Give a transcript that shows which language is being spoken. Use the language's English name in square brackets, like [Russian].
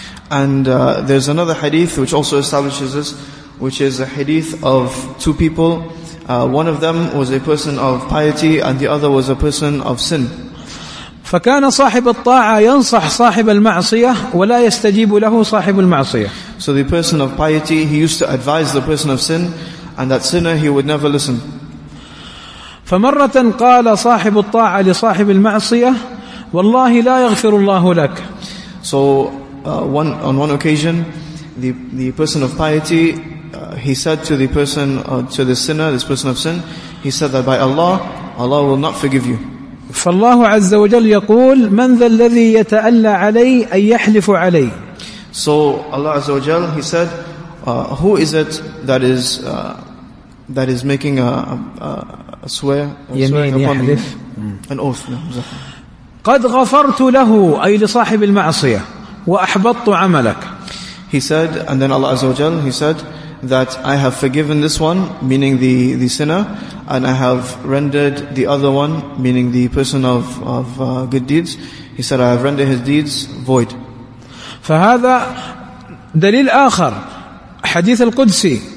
[English] And there's another hadith which also establishes this, which is a hadith of two people. One of them was a person of piety and the other was a person of sin. [Arabic] فكان صاحب الطاعة ينصح صاحب المعصية ولا يستجيب له صاحب المعصية. [English] So the person of piety, he used to advise the person of sin, and that sinner, he would never listen. [Arabic] فمرة قال صاحب الطاعة لصاحب المعصية والله لا يغفر الله لك. [English] So on one occasion the person of piety he said to the person to the sinner, this person of sin, he said that by Allah will not forgive you. [Arabic] فالله عز وجل يقول من ذا الذي يتألى علي أن يحلف علي. [English] So Allah عز وجل, he said, who is it that is making a swear, [Arabic] يمين يحلف, [English] an oath. [Arabic] قد غفرت له أي لصاحب المعصية وأحبطت عملك. [English] He said, and then Allah Azza wa Jal, he said that I have forgiven this one, meaning the sinner, and I have rendered the other one, meaning the person of good deeds, he said I have rendered his deeds void. [Arabic] فهذا دليل آخر حديث القدسي.